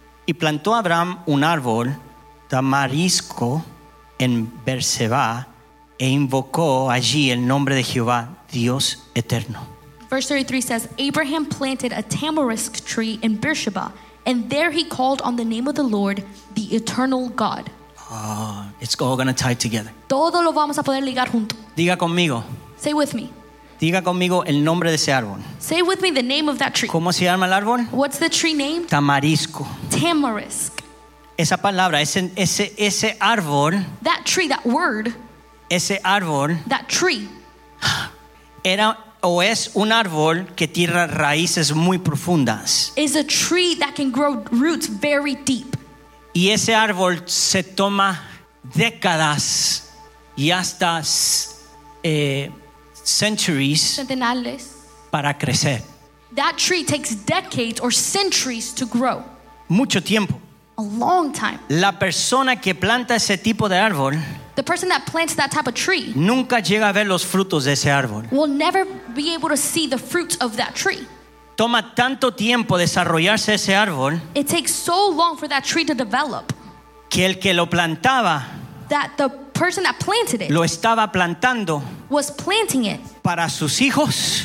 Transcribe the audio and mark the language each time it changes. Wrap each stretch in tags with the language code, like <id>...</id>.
<es>Y plantó Abraham un árbol tamarisco en Beersheba e invocó allí el nombre de Jehová, Dios eterno.</es> <en>Verse 33 says, Abraham planted a tamarisk tree in Beersheba, and there he called on the name of the Lord, the eternal God. Oh, it's all going to tie together.</en> <es>Todo lo vamos a poder ligar junto. Diga conmigo.</es> <en>Say with me.</en> <es>Diga conmigo el nombre de ese árbol.</es> <en>Say with me the name of that tree.</en> <es>¿Cómo se llama el árbol?</es> <en>What's the tree named?</en> <es>Tamarisco.</es> <en>Tamarisk.</en> <es>Esa palabra, ese árbol.</es> <en>That tree, that word.</en> <es>Ese árbol.</es> <en>That tree.</en> <es>Era... O es un árbol que tiene raíces muy profundas.</es> <en>Is a tree that can grow roots very deep.</en> <es>Y ese árbol se toma décadas y hasta</es> <en>centuries</en> <es>centenales para crecer.</es> <en>That tree takes decades or centuries to grow.</en> <es>Mucho tiempo.</es> <en>A long time.</en> <es>La persona que planta ese tipo de árbol.</es> <en>The person that plants that type of tree</en> <es>nunca llega a ver los frutos de ese árbol.</es> <en>Will never be able to see the fruits of that tree.</en> <es>Toma tanto tiempo desarrollarse ese árbol.</es> <en>It takes so long for that tree to develop.</en> <es>Que el que lo plantaba,</es> <en>that the person that planted it</en> <es>lo estaba plantando,</es> <en>was planting it</en> <es>para sus hijos,</es>